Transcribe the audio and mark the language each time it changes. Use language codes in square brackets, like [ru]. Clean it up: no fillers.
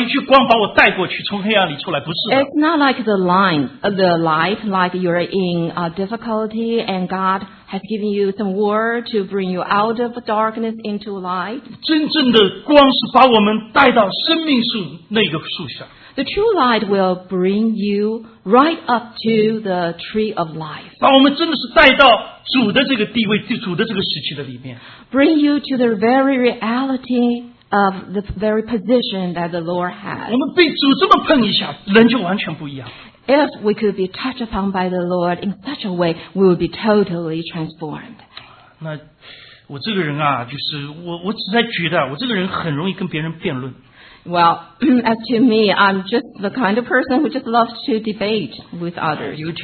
[zh] 那不是说我在一个难处主给我一句话一句光把我带过去从黑暗里出来，不是的。 [en] It's not like the line, the light, like you're in difficulty and God has given you some word to bring you out of darkness into light. [zh] 真正的光是把我们带到生命树那个树下。 [en] The true light will bring you right up to the tree of life. [zh] 把我们真的是带到主的这个地位，主的这个时期的里面。 [en] Bring you to the very reality of the very position that the Lord has. [zh] 我们被主这么碰一下，人就完全不一样。 [en] If we could be touched upon by the Lord in such a way, we would be totally transformed. [zh] 那我这个人啊，就是我实在觉得我这个人很容易跟别人辩论。 [en] Well, as to me, I'm just the kind of person who just loves to debate with others.